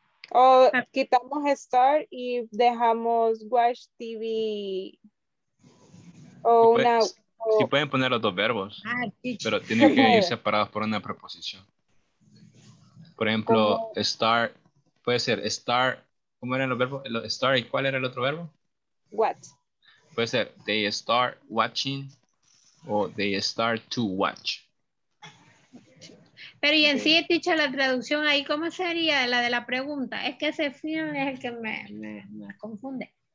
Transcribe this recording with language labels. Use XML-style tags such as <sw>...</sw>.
<es>O quitamos start y dejamos watch TV. O sí, una... Puede, o... Sí pueden poner los dos verbos, pero tienen que ir separados por una preposición. Por ejemplo, ¿cómo? Start, puede ser start, ¿cómo eran los verbos? Start, ¿y cuál era el otro verbo?</es> <en>What. Puede ser, they start watching o they start to watch.</en> <es>Pero y en sí, teacher, la traducción ahí, ¿cómo sería la de la pregunta? Es que ese film es el que me confunde.</es>